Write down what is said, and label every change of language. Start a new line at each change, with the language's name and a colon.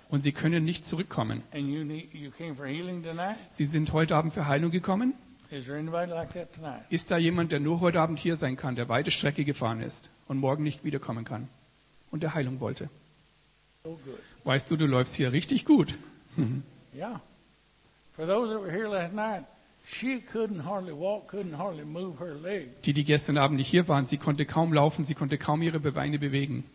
German: Und sie können nicht zurückkommen.
English: And you came for healing tonight.
German: Sie sind heute Abend für Heilung gekommen.
English: Is there anybody like that tonight?
German: Ist da jemand, der nur heute Abend hier sein kann, der weite Strecke gefahren ist und morgen nicht wiederkommen kann und der Heilung wollte?
English: Oh, good.
German: Weißt du läufst hier richtig gut. Ja.
English: For those that were here last night, she couldn't hardly walk, couldn't hardly move her leg.
German: Die gestern Abend nicht hier waren, sie konnte kaum laufen, sie konnte kaum ihre Beine bewegen.